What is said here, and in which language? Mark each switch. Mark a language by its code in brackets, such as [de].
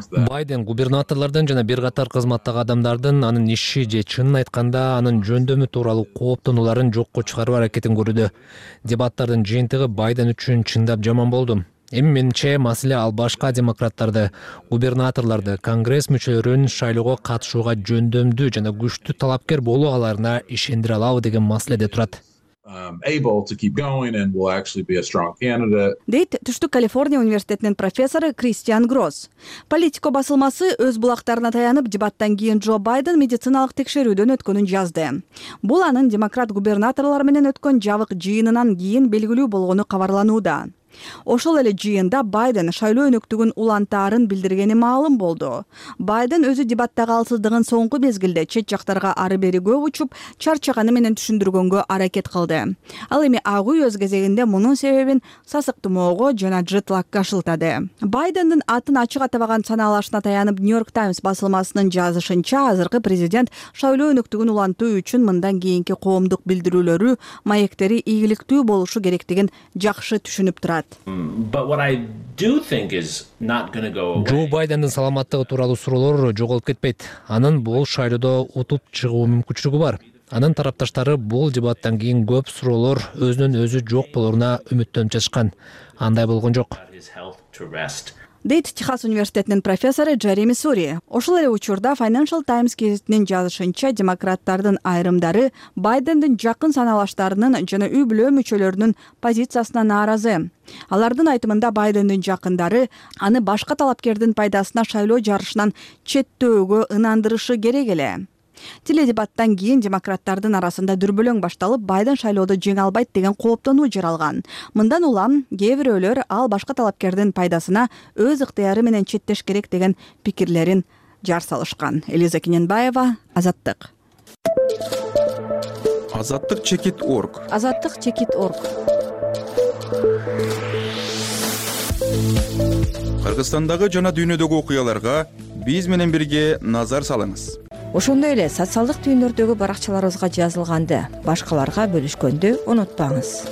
[ky] Байден губернаторлордон жана бир катар кызматтагы адамдардын анын иши же чынын айтканда анын жөндөмү тууралуу кооптонууларын жокко чыгаруу аракетин көрүүдө. Дебаттардын жыйынтыгы Байден үчүн чындап жаман болду. Эми менимче маселе ал башка демократтарды, губернаторлорду, конгресс мүчөлөрүн шайлоого катышууга жөндөмдүү жана күчтүү талапкер болуу аларына ишендире алабы деген маселеде турат. [en] able to keep going and will actually be a strong candidate. [ky] Дейт Түштүк Калифорния университетинин профессору Кристиан Гросс. Политико басылмасы өз булактарына таянып, дебаттан кийин Джо Байден медициналык текшерүүдөн өткөнүн жазды. Бул анын демократ губернаторлор менен өткөн жабык жыйынынан кийин белгилүү болгону кабарланууда. Ошол эле жыйында Байден шайлоо өнөктүгүн улантаарын билдиргени маалым болду. Байден өзү дебатта калсыздыгын соңку мезгилде чет жактарга ары-бери көп учуп, чарчаганы менен түшүндүргөнгө аракет кылды. Ал эми Ак Үй өз кезегинде мунун себебин сасык тумоого жана джетлагка шылтады. Байдендин атын ачык атабаган санаалашына таянып, Нью-Йорк Таймс басылмасынын жазышынча, азыркы президент шайлоо өнөктүгүн улантуу үчүн мындан кийинки коомдук билдирүүлөрү, маектери ийгиликтүү болушу керектигин жакшы түшүнүп турат. [en] But what I do think is not going to go away. [ky] Джо Байдендин саламаттыгы тууралуу суроолор жоголуп кетпейт. Анын бул шайлоодо утуп чыгуу мүмкүнчүлүгү бар. Анын тарапташтары бул дебаттан кийин көп суроолор өзүнүн өзү жок болоруна үмүттөнүп жатышкан. Андай болгон жок. Дейт Техас университетинин профессору Джереми Сури. Ошол эле учурда Financial Times гезитинин жазышынча, демократтардын айрымдары Байдендин жакын саналаштарынын жана үй-бүлө мүчөлөрүнүн позициясына нааразы. Алардын айтымында Байдендин жакындары аны башка талапкердин пайдасына шайлоо жарышынан четтөөгө ынандырышы керек эле. Теледебаттан кийин демократтардын арасында дүрбөлөң башталып, Байден шайлоодо жеңе албайт деген кооптонуу жаралган. Мындан улам кээ бирөөлөр ал башка талапкердин пайдасына өз ыктыяры менен четтеш керек деген пикирлерин жар салышкан. Элиза Кененбаева, Азаттык. Азаттык.org. Азаттык.org. Кыргызстандагы жана дүйнөдөгү окуяларга биз менен бирге назар салыңыз. Ошондой эле социалдык түйүндөрдөгү баракчаларыбызга жазылганды башкаларга бөлүшкөндү унутпаңыз.